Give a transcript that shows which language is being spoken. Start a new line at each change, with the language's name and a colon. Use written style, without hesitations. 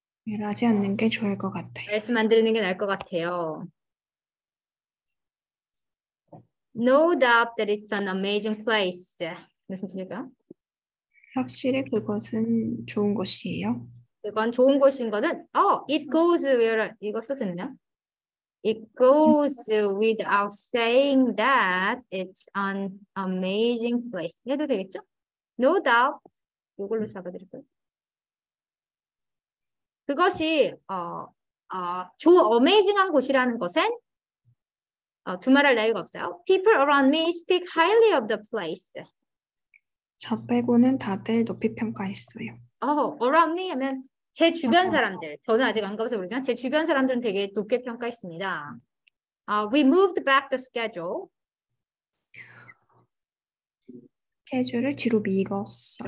Korean: 말하지 않는 게 좋을 것 같아요. 말씀 안 드리는 게 나을 것 같아요.
English: No doubt that it's an amazing place.
Korean: 무슨 뜻일까요? 확실히 그것은 좋은 곳이에요. 그건 좋은 곳인 거는
English: it goes where
Korean: 이거 써도 되나요?
English: It goes without saying that it's an amazing place.
Korean: 해도 되겠죠? No doubt. 이걸로 잡아드릴까요? 그것이 어메이징한 곳이라는 것은 두말할 나위가 없어요.
English: People around me speak highly of the place.
Korean: 저 빼고는 다들 높이 평가했어요. Around me 하면 제 주변 사람들. 저는 아직 안 가봐서 모르지만 제 주변 사람들은 되게 높게 평가했습니다.
English: We moved back the schedule.
Korean: 스케줄을 뒤로 미뤘어요.